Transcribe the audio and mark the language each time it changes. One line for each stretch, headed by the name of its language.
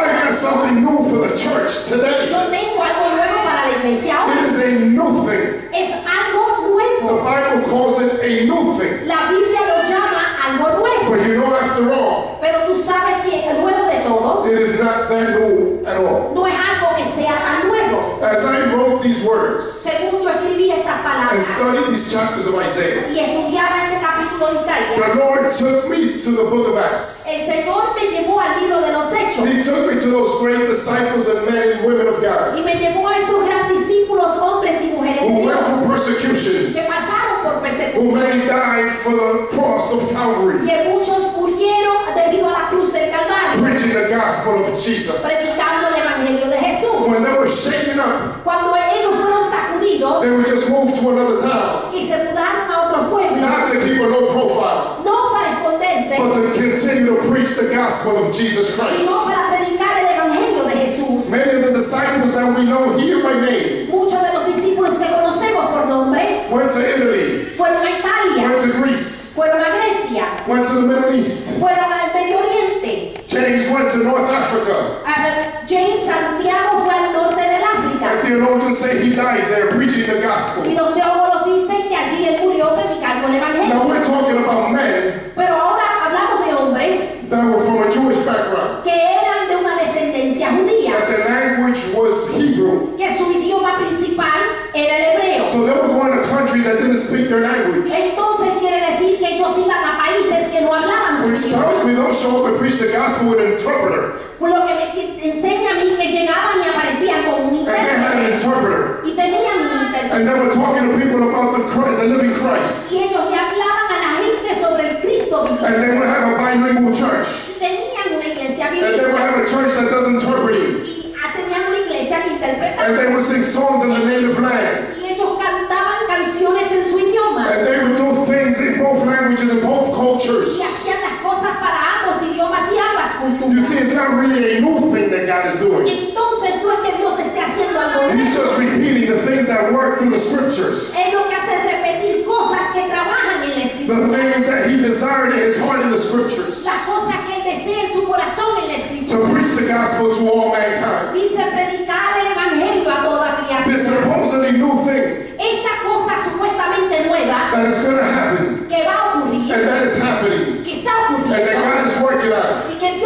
English: Something new for the church today.
Spanish: Yo tengo algo nuevo para la iglesia ahora.
English: It is a new thing.
Spanish: Es algo nuevo.
English: The Bible calls it a new thing.
Spanish: La Biblia lo llama algo nuevo.
English: But you know, after all,
Spanish: pero tú sabes que es nuevo de todo.
English: It is not that new at all.
Spanish: No es algo que sea tan nuevo.
English: As I wrote these words,
Spanish: según yo escribí estas palabras,
English: and studied these chapters of Isaiah,
Spanish: y estudiaba este capítulo de Isaías,
English: the Lord took me to the book of Acts.
Spanish: El Señor me llevó al libro de los Hechos.
English: He took me to those great disciples and men and women of God.
Spanish: Y me llevó a esos gran discípulos, hombres y mujeres
English: who
Spanish: de Dios,
English: went through persecutions,
Spanish: que pasaron por persecución,
English: who many died for the cross of Calvary,
Spanish: y muchos murieron debido a la cruz del Calvario,
English: preaching the gospel of Jesus,
Spanish: predicando el evangelio de Jesús.
English: When they were shaken up,
Spanish: cuando ellos fueron sacudidos,
English: they would just move to another town,
Spanish: y se mudaron a otro pueblo,
English: not to keep a low profile,
Spanish: no para esconderse,
English: but to continue to preach the gospel of Jesus Christ,
Spanish: sino para predicar el evangelio de Jesús.
English: Many of the disciples that we know here by name,
Spanish: muchos de los discípulos que conocemos por nombre,
English: went to Italy,
Spanish: fueron a Italia,
English: went to Greece,
Spanish: fueron a Grecia,
English: went to the Middle East,
Spanish: fueron al Medio Oriente.
English: James went to North Africa.
Spanish: James Santiago fue al norte del África.
English: And theologians say he died there preaching the gospel.
Spanish: Y los teólogos dicen que allí él murió predicando el evangelio.
English: Now we're talking about men.
Spanish: Pero ahora hablamos de hombres.
English: That were from a Jewish background.
Spanish: Que eran de una descendencia judía.
English: That their language was Hebrew.
Spanish: Que su idioma principal era el hebreo.
English: So they were going to a country that didn't speak their language.
Spanish: Entonces quiere decir que ellos iban a países que no hablaban su idioma.
English: Which tells me don't show up and preach the gospel with an interpreter.
Spanish: Por lo que me enseña a mí que llegaban y aparecían con un
English: interpreter.
Spanish: Y tenían un interpreter.
English: And they were talking to people about the living Christ.
Spanish: Y ellos le hablaban a la gente sobre el Cristo vivo.
English: And they would have a bilingual church.
Spanish: Y tenían una iglesia bilingüe.
English: And they would have a church that does interpreting.
Spanish: Y tenían una iglesia que interpreta.
English: And they would sing songs in the native land.
Spanish: Y ellos cantaban canciones en su idioma.
English: And they would do things in both languages and both cultures.
Spanish: Y hacían las cosas para ambos idiomas y ambas culturas.
English: You see, it's not really a new thing that God is doing.
Spanish: Entonces, no es que Dios esté haciendo algo nuevo.
English: He's just repeating the things that work through the scriptures.
Spanish: Es lo que hace repetir cosas que trabajan en la escritura.
English: The things that he desired in his heart in the scriptures.
Spanish: La cosa que él desea en su corazón en la escritura.
English: To preach the gospel to all mankind.
Spanish: Dice predicar el evangelio a toda criatura.
English: This supposedly new thing.
Spanish: Esta cosa supuestamente nueva.
English: That is going to happen.
Spanish: Que va a ocurrir.
English: And that is happening. And that God is working on it.